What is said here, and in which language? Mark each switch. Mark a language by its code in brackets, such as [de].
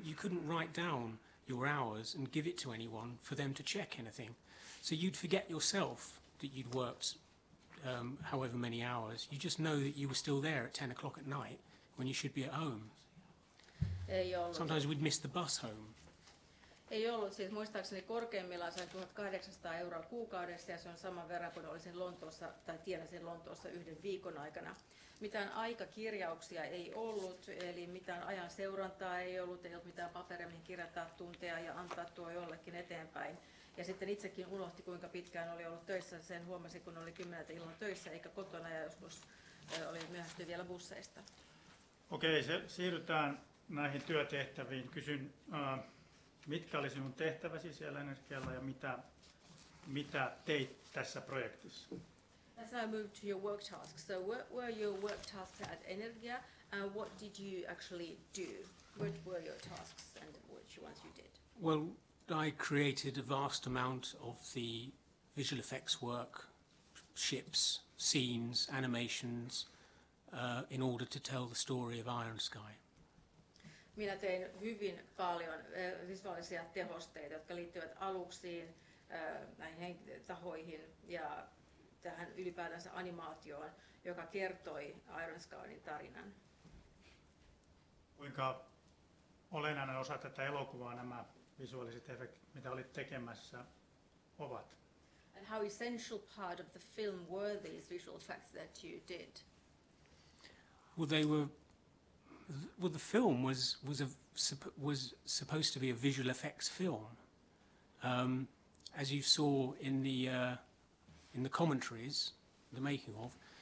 [en] You couldn't write down your hours and give it to anyone for them to check anything. So you'd forget yourself that you'd worked however many hours. You just know that you were still there at 10 o'clock at night when you should be at home. Sometimes we'd miss the bus home. [fi] Ei ollut, siis muistaakseni korkeimmillaan sain 1800 euroa kuukaudessa, ja se on saman verran kuin olisin Lontoossa tai tienasin Lontoossa yhden viikon aikana. Mitään aikakirjauksia ei ollut, eli mitään ajan seurantaa ei ollut mitään paperia, mihin kirjataan tunteja ja antaa tuo jollekin eteenpäin. Ja sitten itsekin unohti, kuinka pitkään oli ollut töissä, sen huomasin, kun oli 10 illan töissä eikä kotona, ja joskus oli myöhästy vielä busseista. Okei, siirrytään näihin työtehtäviin. Kysyn. Mitkä oli sinun tehtäväsi siellä energialla ja mitä teit tässä projektissa? [en] As I moved to your work tasks, so what were your work tasks at Energia and what did you actually do? What were your tasks and what ones you did? Well, I created a vast amount of the visual effects work, ships, scenes, animations, in order to tell the story of Iron Sky. [fi] Minä tein hyvin paljon visuaalisia tehosteita, jotka liittyvät aluksiin, näihin tahoihin ja tähän ylipäätänsä animaatioon, joka kertoi Iron Skyin tarinan. Kuinka olennainen osa tätä elokuvaa nämä visuaaliset efektit, mitä olit tekemässä, ovat? [en] And how essential part of the film were these visual effects that you did? Well, they were. Well, the film was supposed to be a visual effects film, as you saw in the commentaries, the making of.